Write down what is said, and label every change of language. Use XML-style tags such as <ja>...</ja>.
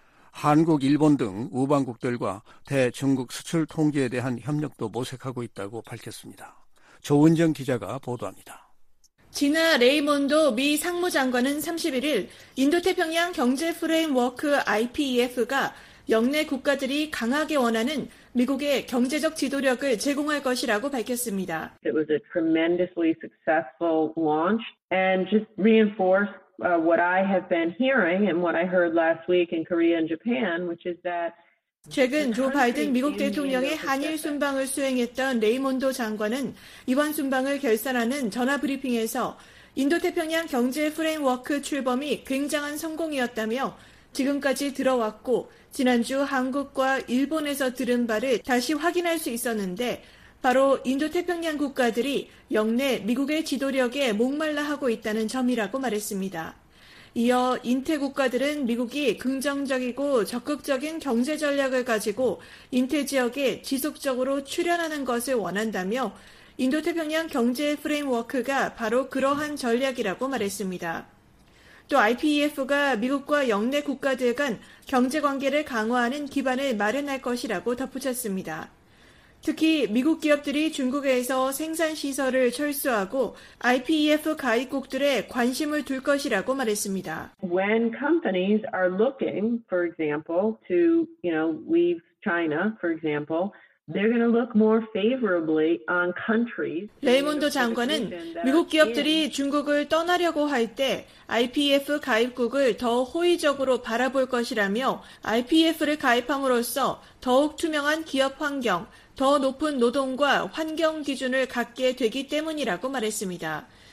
<ko>한국, 일본 등 우방국들과 대중국 수출 통제에 대한 협력도 모색하고 있다고 밝혔습니다. 조은정 기자가 보도합니다. 지나 레이몬도 미 상무장관은 31일 인도태평양 경제 프레임워크 IPEF가 역내 국가들이 강하게 원하는 미국의 경제적 지도력을 제공할 것이라고 밝혔습니다.</ko> <en>It was a tremendously successful launch and just reinforced what I have been hearing and what I heard last week in Korea and Japan, which is that</en> <ko>최근 조 바이든 미국 대통령의 한일 순방을 수행했던 레이몬도 장관은 이번 순방을 결산하는 전화 브리핑에서 인도태평양 경제 프레임워크 출범이 굉장한 성공이었다며 지금까지 들어왔고 지난주 한국과 일본에서 들은 바를 다시 확인할 수 있었는데 바로 인도태평양 국가들이 역내 미국의 지도력에 목말라 하고 있다는 점이라고 말했습니다. 이어 인태 국가들은 미국이 긍정적이고 적극적인 경제 전략을 가지고 인태 지역에 지속적으로 출연하는 것을 원한다며 인도태평양 경제 프레임워크가 바로 그러한 전략이라고 말했습니다. 또 IPEF가 미국과 역내 국가들 간 경제 관계를 강화하는 기반을 마련할 것이라고 덧붙였습니다. 특히 미국 기업들이 중국에서 생산시설을 철수하고 IPEF 가입국들의 관심을 둘 것이라고 말했습니다.</ko> <en>When companies are looking, for example, to, you know, leave China, for example, they're going to look more favorably on countries.</en> <ko>레이몬도 장관은 미국 기업들이 중국을 떠나려고 할 때 IPEF 가입국을 더 호의적으로 바라볼 것이라며 IPEF를 가입함으로써 더욱 투명한 기업 환경, 더 높은 노동과 환경 기준을 갖게 되기 때문이라고 말했습니다.</ko>